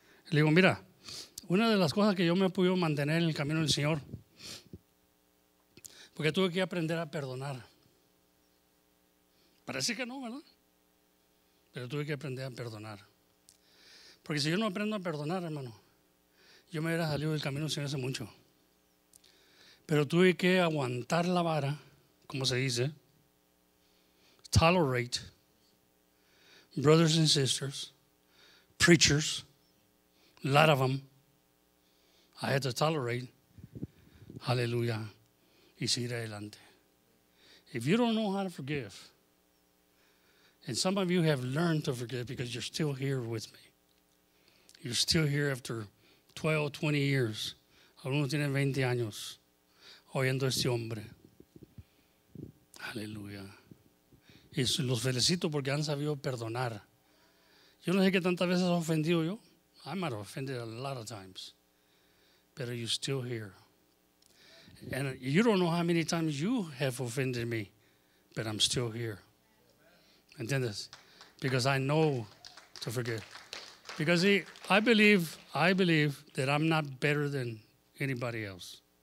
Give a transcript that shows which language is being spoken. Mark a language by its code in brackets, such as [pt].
[es] Le digo, mira, una de las cosas que yo me he podido mantener en el camino del Señor, porque tuve que aprender a perdonar. Parece que no, ¿verdad? Pero tuve que aprender a perdonar. Porque si yo no aprendo a perdonar, hermano, Yo me hubiera salido del camino del Señor hace mucho. Pero tuve que aguantar la vara, como se dice. [en] Tolerate brothers and sisters, preachers, a lot of them. I had to tolerate. Hallelujah. [es] Y seguir adelante. [en] If you don't know how to forgive, and some of you have learned to forgive because you're still here with me. You're still here after 12, 20 years. [es] Algunos tienen 20 años oyendo a este hombre. Hallelujah. Y los felicito porque han sabido perdonar. Yo no sé qué tantas veces he ofendido yo. [en] I might have offended a lot of times. But you're still here. And you don't know how many times you have offended me, but I'm still here. ¿Entiendes? Because I know to forgive. Because see, I believe that I'm not better than anybody else.